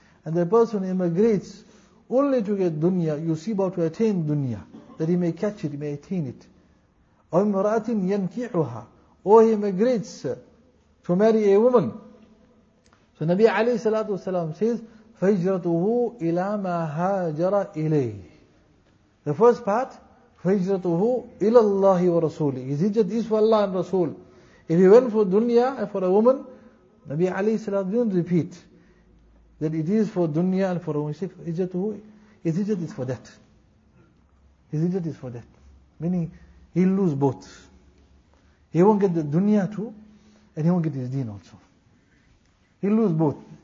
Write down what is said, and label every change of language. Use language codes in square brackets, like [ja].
[en] And the person immigrates only to get dunya, yusibah, to attain dunya, that he may catch it, he may attain it. [ar] وَمْرَأَةٍ يَنْكِعُهَا. [en] Or he immigrates to marry a woman. So Nabi alayhi salatu wasalam says, [ar] فَهِجْرَتُهُ إِلَى مَا هَاجَرَ إِلَيْهِ. [en] The first part, [ar] فَهِجْرَتُهُ إِلَى اللَّهِ وَرَسُولِهِ. [en] His hijrat is for Allah and Rasul. If he went for dunya and for a woman, Nabi alayhi salam didn't repeat that it is for dunya and for a woman. He said, هِجْرَتُهُ. His hijrat is for that. His hijrat is for that. Meaning, he'll lose both. He won't get the dunya too, and he won't get his deen also. He'll lose both.